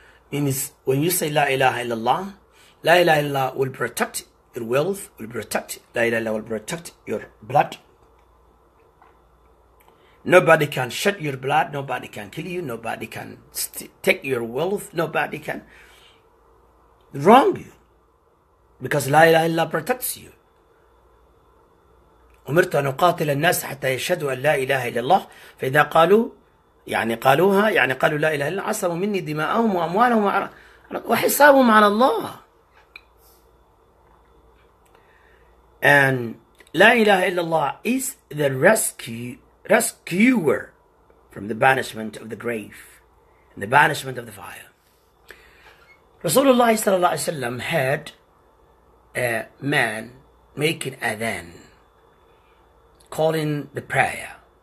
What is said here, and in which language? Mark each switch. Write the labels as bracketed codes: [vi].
[en] Means when you say la ilaha illallah, la ilaha illallah will protect your wealth, will protect, la ilaha illallah will protect your blood. Nobody can shed your blood, nobody can kill you, nobody can take your wealth, nobody can wrong you, because la ilaha illallah protects you. [ar] أمرت أن أقاتل الناس حتى يشهدوا أن لا إله إلا الله فإذا قالوا يعني قالوها يعني قالوا لا إله إلا الله عصموا مني دماءهم وأموالهم وحسابهم على الله. [en] And [ar] لا إله إلا الله [en] is the rescuer from the banishment of the grave and the banishment of the fire. [ar] رسول الله صلى الله عليه وسلم [en] had a man making adhan, calling the prayer.